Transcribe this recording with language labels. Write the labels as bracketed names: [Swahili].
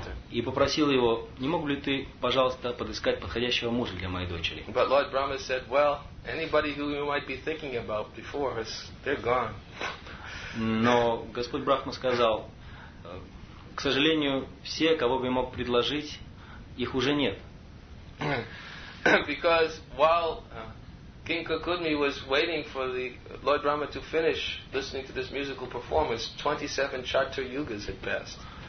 [Russian] И попросил его: не мог бы ты, пожалуйста, подыскать подходящего мужа для моей дочери? [English] But Lord Brahma said, well, anybody who you might be thinking about before us, they're gone. [Russian] Но Господь Брахма сказал: к сожалению, все, кого бы я мог предложить, их уже нет. [English] Because while King Kakudmi was waiting for the Lord Brahma to finish listening to this musical performance, 27 Chatur Yugas had passed.